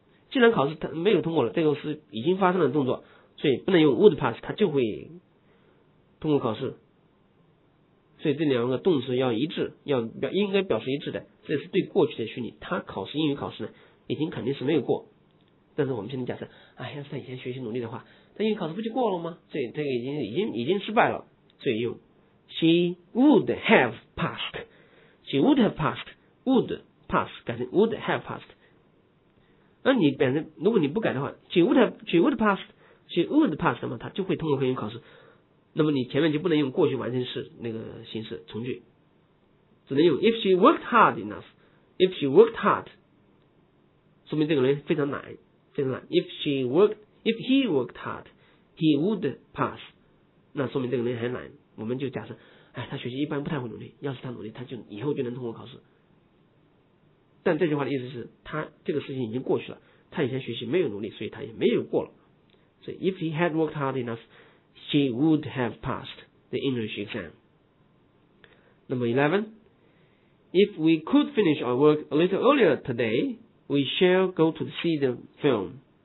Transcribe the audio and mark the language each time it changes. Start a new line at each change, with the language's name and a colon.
Chinese: 既然考试她没有通过了，这个是已经发生了动作，所以不能用
English: would pass,
Chinese: 她就会通过考试。所以这两个动词要一致，要表应该表示一致的，这是对过去的虚拟。他考试英语考试呢，已经肯定是没有过。但是我们现在假设，哎，要是他以前学习努力的话，他英语考试不就过了吗？所以这个已经失败了。所以用
English: she would have passed, she would have passed, would pass
Chinese: 改成
English: would have passed。
Chinese: 那你本身如果你不改的话 ，
English: she would have passed, she would pass
Chinese: 嘛，他就会通过英语考试。那么你前面就不能用过去完成式那个形式从句，只能用
English: if she worked hard
Chinese: enough, if she worked hard, 说明这个人非常懒，非常懒。
English: If he worked hard, he would pass,
Chinese: 那说明这个人很懒。我们就假设，哎，他学习一般不太会努力，要是他努力，他就以后就能通过考试。但这句话的意思是，他这个事情已经过去了，他以前学习没有努力，所以他也没有过了。所以
English: if he had worked hard enough,She would have passed the English exam. Number 11. If we could finish our work a little earlier today, we shall go to see the film.